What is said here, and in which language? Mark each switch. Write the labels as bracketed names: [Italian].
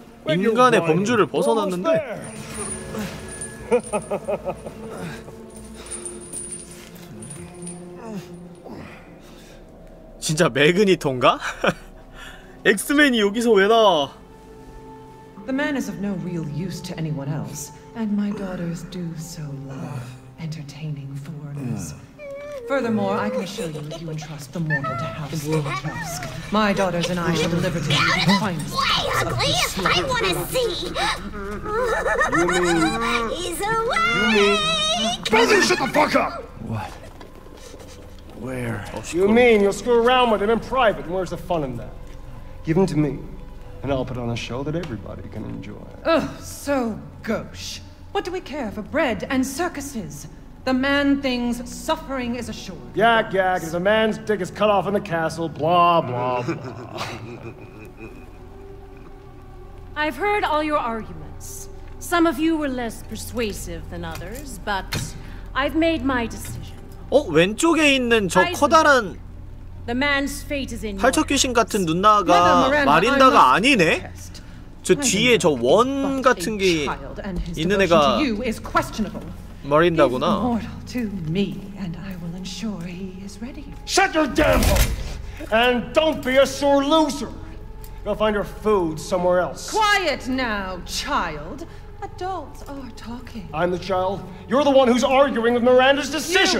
[Korean] 인간의 범주를 벗어났는데? 진짜 매그니토인가? 엑스맨이 여기서 왜 나와? [English] The man is of no real use to anyone else, and my daughters do so love entertaining foreigners. Furthermore, I can assure you if you entrust the mortal to House Tusk, my daughters and I shall deliver to you the finest. Way, ugly! I wanna see! He's awake! Baby, shut the fuck up! What? Where? You mean you'll screw around with him in private, and where's the fun in that? Give him to me, and I'll put on a show that everybody can enjoy. Ugh, so gauche. What do we care for bread and circuses? The man thinks suffering is assured. Yak yak, if a man's dick is cut off in the castle, blah blah blah. I've heard all your arguments. Some of you were less persuasive than others, but I've made my decision. [Korean] 어, 왼쪽에 있는 저 커다란 [English] The man's fate is in [Korean] 팔척 귀신 같은 누나가 마린다가 아니네. 저 뒤에 저 원 같은 게 있는 애가 마린다구나. [English] Mortal to me, and I will ensure he is ready. Shut your damn mouth, and don't be a sore loser. Go find your food somewhere else. Quiet now, child. Adults are talking. I'm the child. You're the one who's arguing with Miranda's decision.